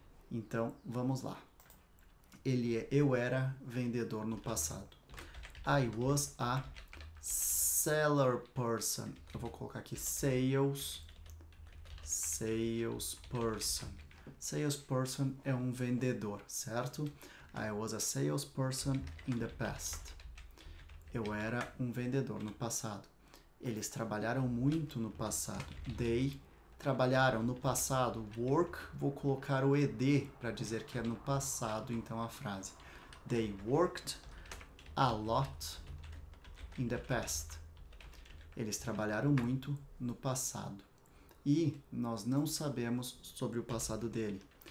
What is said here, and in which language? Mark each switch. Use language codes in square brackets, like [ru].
[pt] Então, vamos lá. Eu era vendedor no passado. [en] I was a seller person. [pt] Eu vou colocar aqui sales. Salesperson. Salesperson é um vendedor, certo? [en] I was a salesperson in the past. [pt] Eu era um vendedor no passado. Eles trabalharam muito no passado. [en] They [pt] trabalharam no passado. Work, vou colocar o ED para dizer que é no passado, então a frase. [en] They worked a lot in the past. [pt] Eles trabalharam muito no passado. E nós não sabemos sobre o passado dele.